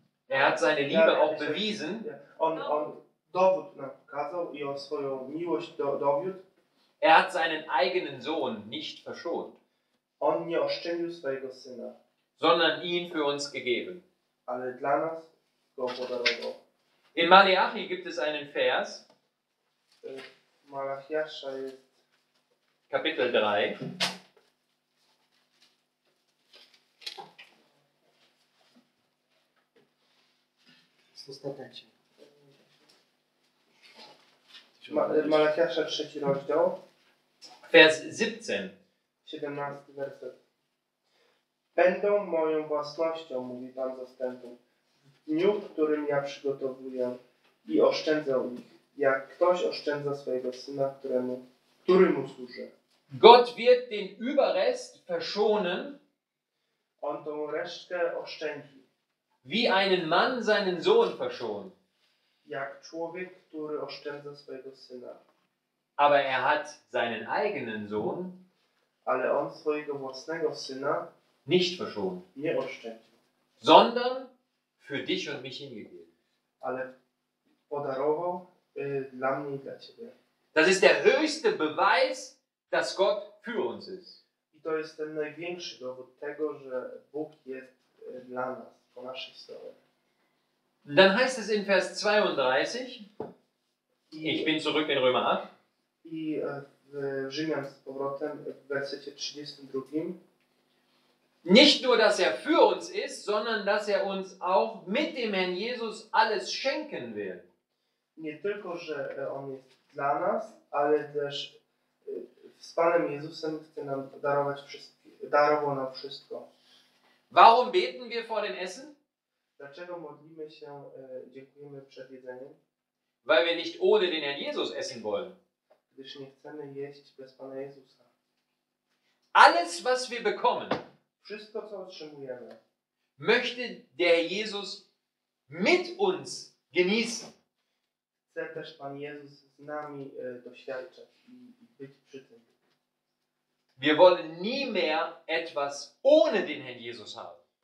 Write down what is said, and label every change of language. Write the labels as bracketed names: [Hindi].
[German] hat seine Liebe auch bewiesen. [Polish] On dowód nam pokazał i on swoją miłość dowiódł. [German] Hat seinen eigenen Sohn nicht verschont. [Polish] On nie oszczędził swojego syna. [German] Sondern ihn für uns gegeben. [Polish] Ale dla nas go podarował. [German] In Malachi gibt es einen Vers. [Polish] Malachiasza jest [German] Kapitel 3. Zostatecie. [Polish] Malachiasza 3 rozdział. [German] Vers 17. [Polish] 17 werset. Będą moją własnością, mówi Pan zastępów. W dniu, w którym ja przygotowuję i oszczędzę ich, jak ktoś oszczędza swojego syna, który mu służy. [German] Gott wird den Überrest verschonen. [Polish] On tą resztkę oszczędzi. [German] Wie einen Mann seinen Sohn verschont. [Polish] Jak człowiek, który oszczędza swojego syna. [German] Aber er hat seinen eigenen Sohn. [Polish] Ale on swojego własnego syna [German] nicht verschont. [Polish] Nie oszczędził. [German] Sondern für dich und mich hingegeben. [Polish] Ale podarował dla mnie i dla ciebie. [German] Das ist der höchste Beweis, dass Gott für uns ist. [Polish] I to jest ten największy dowód tego, że Bóg jest dla nas, po naszej stronie. [German] Dann heißt es in Vers 32, ich bin zurück in Römer 8. [Polish] I w Rzymian z powrotem w wersecie 32. [German] Nicht nur, dass er für uns ist, sondern dass er uns auch mit dem Herrn Jesus alles schenken will. [Polish] Nie tylko, że on jest dla nas, ale też z Panem Jezusem chce nam darować darował nam wszystko. [German] Warum beten wir vor dem Essen? [Polish] Dlaczego modlimy się, dziękujemy przed jedzeniem? [German] Weil wir nicht ohne den Herrn Jesus essen wollen. [Polish] Gdyż nie chcemy jeść bez Pana Jezusa. [German] Alles, was wir bekommen, [Polish] wszystko, co otrzymujemy, [German] möchte der Jesus mit uns genießen. [Polish] Chce też Pan Jezus z nami doświadczać i być przy tym. [German] Wir wollen nie mehr etwas ohne den Herrn Jesus haben.